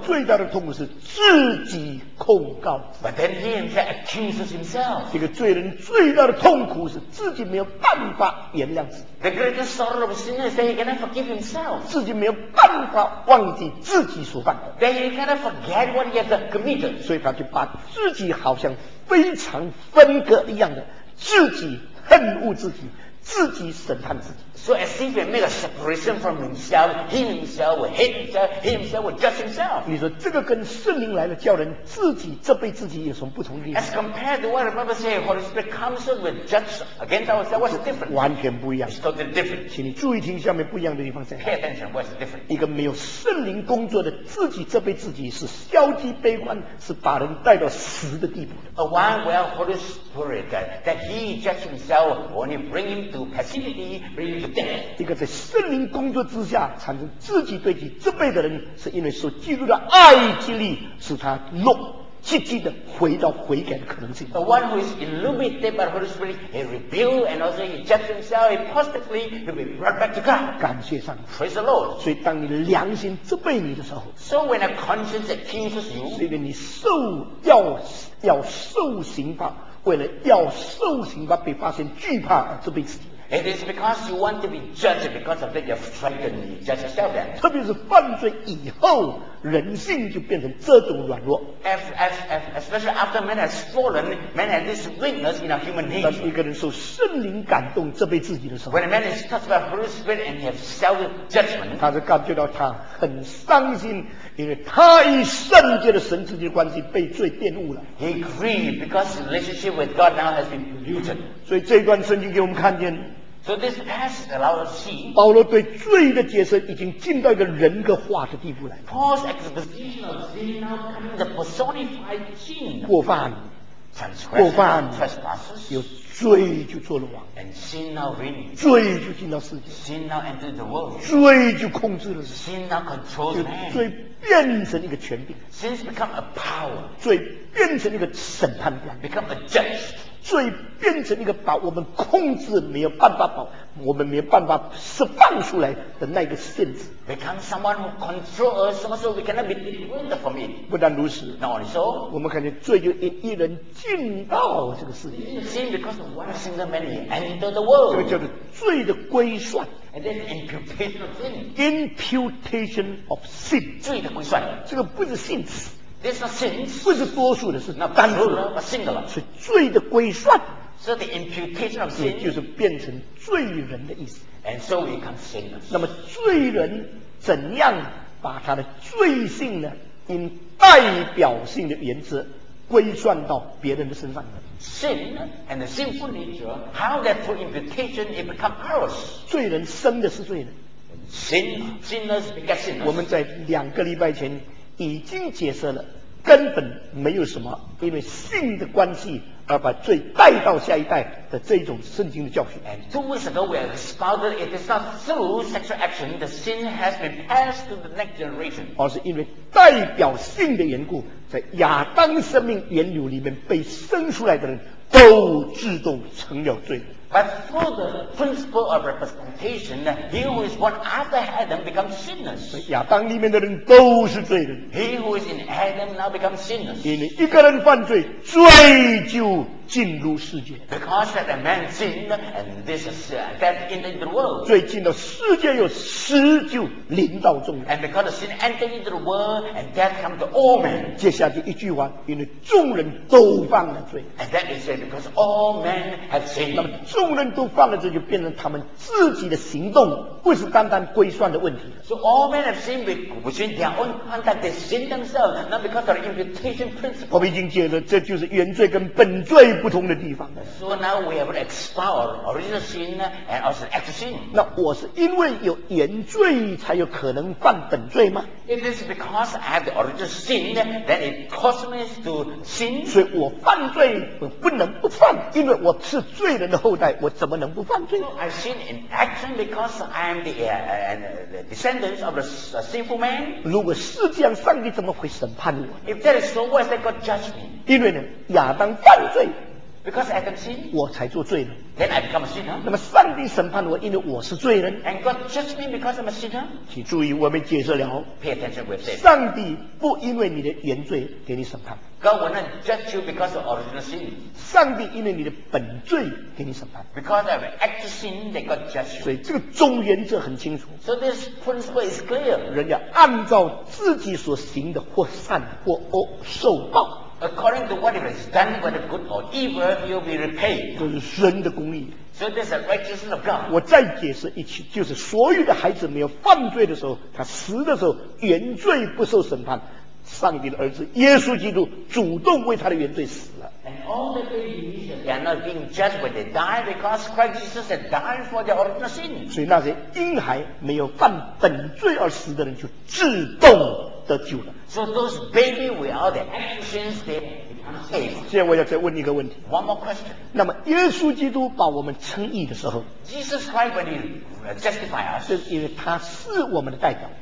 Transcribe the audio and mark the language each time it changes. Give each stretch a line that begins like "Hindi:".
Chinese: 最大的痛苦是自己控告
English: But then he himself accuses himself
Chinese: 一个罪人最大的痛苦是自己没有办法原谅自己
English: The greatest sorrow of a sinner is that he cannot forgive himself
Chinese: 自己没有办法忘记自己所犯的
English: That he cannot forget what he has committed
Chinese: 所以他就把自己好像非常分割一样的自己恨恶自己自己审判自己
English: So as if he made a separation from himself he himself will hate himself he himself will judge himself
Chinese: 你说这个跟圣灵来了叫人自己责备自己有什么不同的意思
English: As compared to what the Bible says Holy Spirit comes up with judge against ourselves what's the difference
Chinese: 完全不一样
English: It's totally different
Chinese: 请你注意听下面不一样的地方
English: Pay attention what's the difference
Chinese: 一个没有圣灵工作的自己责备自己是消极悲观是把人带到死的地步的
English: A one where Holy Spirit that he judge himself only bring him to passivity
Chinese: 一个在圣灵工作之下产生自己对己责备的人是因为受基督的爱激励使他弄积极的回到悔改的可能性
English: The one who is illuminated by the Holy Spirit he rebuild and also he judge himself he positively he will be brought back to God
Chinese: 感谢上帝
English: Praise the Lord
Chinese: 所以当你良心责备你的时候
English: So when a conscience accuses you
Chinese: 是因为你受要受刑罚为了要受刑罚被发现惧怕而责备自己
English: It is because you want to be judged because of that you're frightened you judge yourself then
Chinese: 特别是犯罪以后人性就变成这种软弱
English: especially after man has fallen man has this weakness in our human nature
Chinese: 当一个人受圣灵感动责备自己的时候
English: when a man is touched by Holy Spirit and he has self-judgment
Chinese: 他就感觉到他很伤心因为他与圣洁的神之间的关系被罪玷污了
English: he grieved because his relationship with God now has been polluted
Chinese: 所以这段圣经给我们看见
English: So this passage allows us to see
Chinese: 保罗对罪的解释已经进到一个人格化的地步来
English: Paul's exposition of sin now comes the personified sin
Chinese: 过犯
English: trespasses
Chinese: 有罪就做了王
English: and sin now reigns
Chinese: 罪就进到世界
English: sin now enters the world
Chinese: 罪就控制了
English: sin now controls man
Chinese: 罪变成一个权柄
English: sin become a power
Chinese: 罪变成一个审判官
English: become a judge
Chinese: 罪变成一个把我们控制没有办法把我们没有办法释放出来的那个限制。
English: Become someone who controls us, so we cannot be delivered from it.
Chinese: 不但如此
English: ，Not only so,
Chinese: 我们感觉罪就一人进到这个世界。
English: Sin because of one single man enter the world.
Chinese: 这个叫做罪的归算。
English: And then imputation of sin. Imputation of sin.
Chinese: 罪的归算。这个不是 sin。
English: This is sins,
Chinese: 不是多数的，是单数的，是罪的归算。
English: So the imputation of sin,
Chinese: 也就是变成罪人的意思。
English: And so we become sinners.
Chinese: 那么罪人怎样把他的罪性呢？以代表性的原则归算到别人的身上呢？
English: Sin and the sinful nature, how that full imputation it become ours?
Chinese: 罪人生的是罪人。
English: Sin, sinners become sinners.
Chinese: 我们在两个礼拜前。已经解释了根本没有什么因为性的关系而把罪带到下一代的这种圣经的教训。
English: And 2 weeks ago we have spouted it is not through sexual action the sin has been passed to the next generation
Chinese: 而是因为代表性的缘故在亚当生命源流里面被生出来的人都自动成了罪。
English: But through the principle of representation, he who is born after Adam becomes sinless.
Chinese: 亚当里面的人都是罪人。
English: He who is in Adam now becomes sinless.
Chinese: 因为一个人犯罪，罪就进入世界。
English: Because that a man sinned, and this is that entered the world.
Chinese: 罪进到世界有死就临到众人。
English: And because sin entered into the world, and death comes to all men.
Chinese: 接下来一句话，因为众人都犯了罪。
English: And that is it, because all men have sinned.
Chinese: 那么众人都犯了罪，就变成他们自己的行动，不是单单归算的问题。
English: So all men have sinned between their own conduct, they sin themselves, not because of the imputation principle.
Chinese: 我们已经解了，这就是原罪跟本罪不同的地方。
English: So now we have explored original sin and also actual sin.
Chinese: 那我是因为有原罪才有可能犯本罪吗？
English: It is because I have the original sin that it causes me to sin.
Chinese: 所以我犯罪我不能不犯，因为我是罪人的后代，我怎么能不犯罪？
English: So I sin in action because I am the descendants of a sinful man.
Chinese: 如果是这样，上帝怎么会审判我？
English: If that is so, why is that God judge me?
Chinese: 因为呢，亚当犯罪。
English: Because Adam sinned,
Chinese: 我才做罪人。
English: Then I become a sinner.
Chinese: 那么上帝审判我，因为我是罪人。
English: And God judged me because I'm a sinner.
Chinese: 请注意，我们解释了。
English: Pay attention with this.
Chinese: 上帝不因为你的原罪给你审判。
English: God will not judge you because of original sin.
Chinese: 上帝因为你的本罪给你审判。
English: Because of actual sin, they got judged.
Chinese: 所以这个总原则很清楚。
English: So this principle is clear.
Chinese: 人要按照自己所行的或善或恶受报。
English: According to what it is done, whether good or evil, you'll be repaid.
Chinese: 这是神的公义。
English: So there's a righteousness of God.
Chinese: 我再解释一起，就是所有的孩子没有犯罪的时候，他死的时候，原罪不受审判。上帝的儿子耶稣基督主动为他的原罪死了。
English: And all the babies, they are not being judged when they die because Christ Jesus had died for their original sin.
Chinese: 所以那些婴孩没有犯本罪而死的人就自动得救了。
English: So those babies without their actions, they become saved.
Chinese: 现在我要再问一个问题。
English: One more question.
Chinese: 那么耶稣基督把我们称义的时候
English: ，Jesus Christ when he justify us,
Chinese: 是因为他是我们的代表。